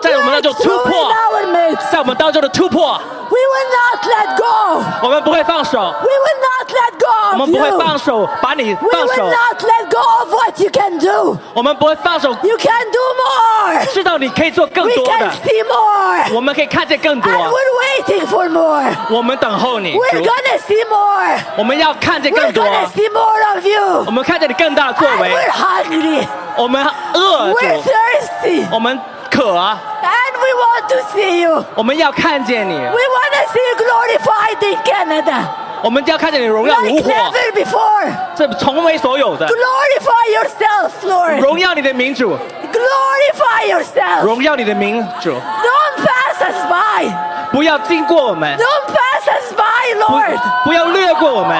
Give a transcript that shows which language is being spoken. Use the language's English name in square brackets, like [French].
[Chinese] 在我们当中突破，在我们当中的突破。 [English] We will not let go. [Chinese] 我们不会放手。 [English] We will not let go. [Chinese] 我们不会放手，把你放手。 [English] We will not let go of what you can do. [Chinese] 我们不会放手。 [English] You can do more. [Chinese] 知道你可以做更多的。 [English] We can see more. [Chinese] 我们可以看见更多。 [English] And we're waiting for more. [Chinese] 我们等候你。 [English] We're gonna see more. [Chinese] 我们要看见更多。 [English] We're gonna see more of you. [Chinese] 我们看见你更大的作为。 [English] And we're hungry. [Chinese] 我们饿着。 [English] We're thirsty. [Chinese] 我们 [English] And we want to see you. [Chinese] 我们要看见你。 [English] We want to see you glorified in Canada. [Chinese] 我们要看见你荣耀如火。 [English] Like never before. [Chinese] 这从未所有的。 [English] Glorify yourself, Lord. [Chinese] 荣耀你的名主。 [English] Glorify yourself. [Chinese] 荣耀你的名主。 [English] Don't pass us by. [Chinese] 不要经过我们。 [English] Don't pass us by, Lord. [Chinese] 不要略过我们。